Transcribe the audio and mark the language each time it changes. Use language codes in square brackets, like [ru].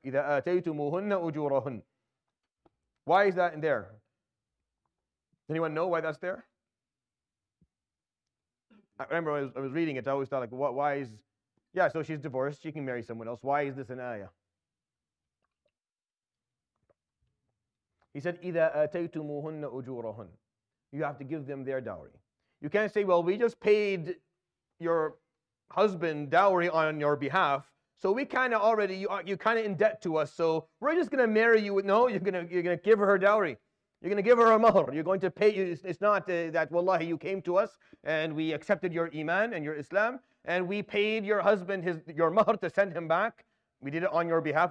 [ar] إِذَا آتَيْتُمُوهُنَّ أُجُورَهُنَّ. [en] Why is that in there? Anyone know why that's there? I remember when I was reading it, I always thought, like, why is... Yeah, so she's divorced, she can marry someone else. Why is this an ayah? He said, [ar] إِذَا آتَيْتُمُوهُنَّ أُجُورَهُنَّ. [en] You have to give them their dowry. You can't say, well, we just paid your husband dowry on your behalf, so we kind of already, you're kind of in debt to us, so we're just going to marry you. No, you're going to give her dowry. You're going to give her a mahr. You're going to pay. It's not that, wallahi, you came to us, and we accepted your iman and your Islam, and we paid your husband your mahr to send him back. We did it on your behalf.